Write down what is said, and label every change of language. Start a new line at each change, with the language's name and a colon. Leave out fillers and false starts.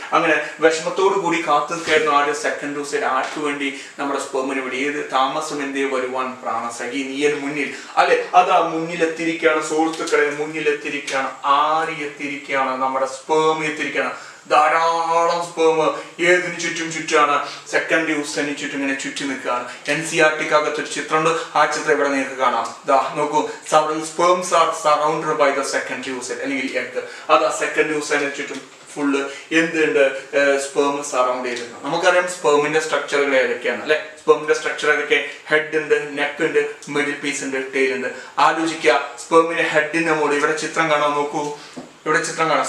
Malayalam: അങ്ങനെ വിഷമത്തോടു കൂടി കാത്തു കയറുന്ന ആര് സെക്കൻഡറി ഓസൈറ്റ്, ആർക്കു വേണ്ടി നമ്മുടെ സ്പേമിന് വേണ്ടി, ഏത് താമസം എന്തേ വരുവാൻ പ്രാണസഖി നീയൻ മുന്നിൽ അല്ലെ, അതാ മുന്നിലെത്തിരിക്കുകയാണ് സുഹൃത്തുക്കളെ, മുന്നിലെത്തിരിക്കുകയാണ് ആരി എത്തിരിക്കുകയാണ് നമ്മുടെ സ്പേം എത്തിരിക്കുകയാണ്. ധാരാളം സ്പേം ഏതിന് ചുറ്റും ചുറ്റാണ് സെക്കൻഡറി ഓസൈറ്റിന് ചുറ്റും ഇങ്ങനെ ചുറ്റി നിൽക്കുകയാണ്. എൻ സി ആർ ടിക്ക് അകത്തൊരു ചിത്രമുണ്ട്, ആ ചിത്രം ഇവിടെ നിങ്ങൾക്ക് കാണാം. ദാ നോക്കൂ,
English: several sperms are surrounded by the secondary oocyte അല്ലെങ്കിൽ egg.
Malayalam: അതാ സെക്കൻഡറി ഓസൈറ്റിന് ചുറ്റും ഫുള്ള് എന്തുണ്ട് സ്പേം സറൗണ്ട് ചെയ്തിരുന്നത്. നമുക്കറിയാം സ്പേമിന്റെ സ്ട്രക്ചറുകൾ ഏതൊക്കെയാണ് അല്ലെ, സ്പേമിന്റെ സ്ട്രക്ചർ ഏതൊക്കെ, ഹെഡ് ഉണ്ട്, നെക്ക് ഉണ്ട്, മിഡിൽ പീസ് ഉണ്ട്, ടെയിൽ ഉണ്ട്. ആലോചിക്കുക സ്പേമിന്റെ ഹെഡിന്റെ മുകളിൽ ഇവിടെ ചിത്രം കാണാൻ നോക്കൂ, ഇവിടെ ചിത്രം കാണാം.